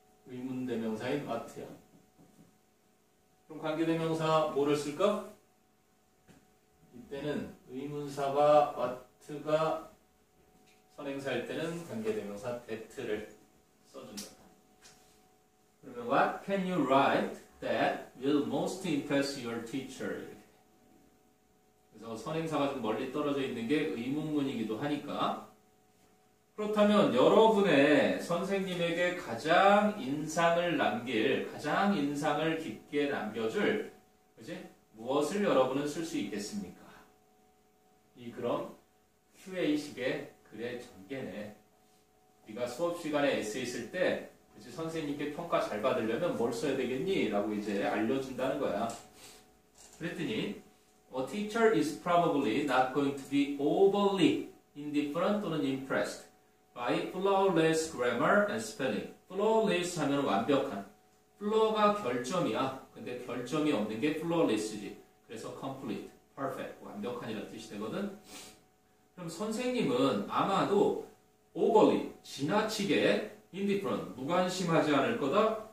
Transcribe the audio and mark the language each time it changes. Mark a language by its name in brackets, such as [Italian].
[Korean] 의문대명사인 아트야. 그럼 관계대명사 뭐를 쓸까? 이때는 의문사가 아트가 선행사일 때는 관계대명사 that를 써준다. [English] 그러면 what can you write that will most impress your teacher? [Korean] 그래서 선행사가 좀 멀리 떨어져 있는 게 의문문이기도 하니까. 그렇다면 여러분의 선생님에게 가장 인상을 남길, 가장 인상을 깊게 남겨줄, 그지? 무엇을 여러분은 쓸 수 있겠습니까? 이 그럼 QA식의 글의 전개네. 네가 수업 시간에 에세이 쓸 때, 그지? 선생님께 평가 잘 받으려면 뭘 써야 되겠니? 라고 이제 알려준다는 거야. 그랬더니, [English] A teacher is probably not going to be overly indifferent 또는 impressed. By flawless grammar and spelling. [Korean] Flawless 하면 완벽한. Flaw가 결점이야. 근데 결점이 없는 게 flawless지. 그래서 complete, perfect, 완벽한이라는 뜻이 되거든. 그럼 선생님은 아마도 overly, 지나치게 indifferent, 무관심하지 않을 거다.